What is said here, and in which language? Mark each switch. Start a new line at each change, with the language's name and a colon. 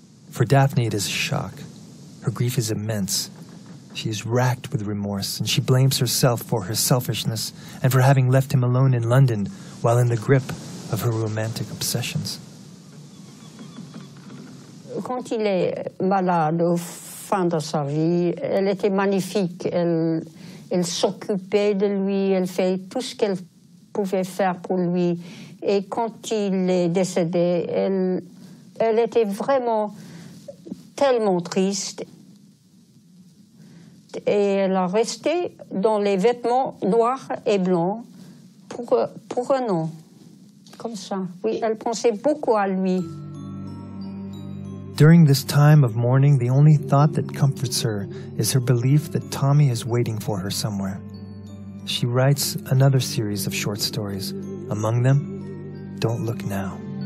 English: For Daphne, it is a shock. Her grief is immense. She is racked with remorse, and she blames herself for her selfishness and for having left him alone in London while in the grip of her romantic obsessions.
French: Quand il est malade au fin de sa vie, elle était magnifique. Elle s'occupait de lui, elle fait tout ce qu'elle pouvait faire pour lui. Et quand il est décédé, elle était vraiment tellement triste. Et elle a resté dans les vêtements noirs et blancs pour un an. Comme ça. Oui, elle pensait beaucoup à lui.
English: During this time of mourning, the only thought that comforts her is her belief that Tommy is waiting for her somewhere. She writes another series of short stories, among them, Don't Look Now.